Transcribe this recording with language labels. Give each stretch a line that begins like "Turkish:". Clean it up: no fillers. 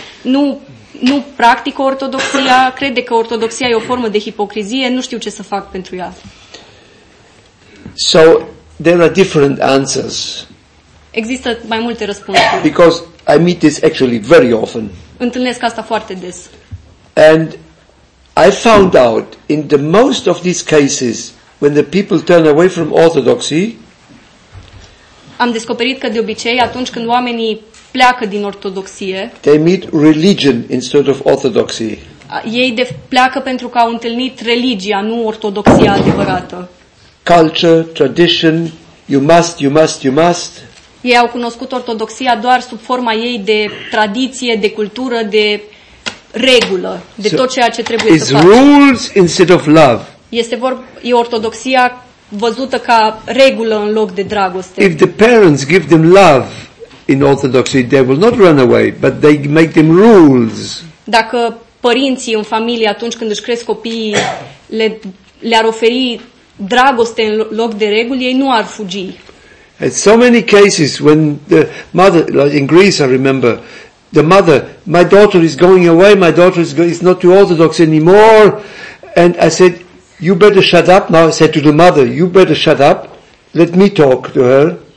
Romanian: Nu practică ortodoxia, crede că ortodoxia e o formă de hipocrizie, nu știu ce să fac pentru ea.
English: So, there are different answers.
Romanian: Există mai multe răspunsuri.
English: Because I meet this actually very often.
Romanian: Întâlnesc asta foarte des.
English: And I found out in the most of these cases when the people turn away from orthodoxy,
Romanian: am descoperit că de obicei atunci când oamenii pleacă din ortodoxie.
English: They meet religion instead of orthodoxy.
Romanian: Ei pleacă pentru că au întâlnit religia, nu ortodoxia adevărată.
English: Culture, tradition, you must.
Romanian: Ei au cunoscut ortodoxia doar sub forma ei de tradiție, de cultură, de regulă, de tot ceea ce trebuie să facă.
English: Rules instead of love.
Romanian: E ortodoxia văzută ca regulă în loc de dragoste.
English: If the parents give them love in orthodoxy, they will not run away, but they make them rules.
Romanian: Dacă părinții în familie atunci când își cresc copiii le-ar oferi dragoste în loc de reguli, ei nu ar fugi.
English: In so many cases when the mother, like in Greece I remember, the mother, my daughter is going away, my daughter is not too orthodox anymore, and I said, you better shut up now. I said to the mother, you better shut up, let me talk to her.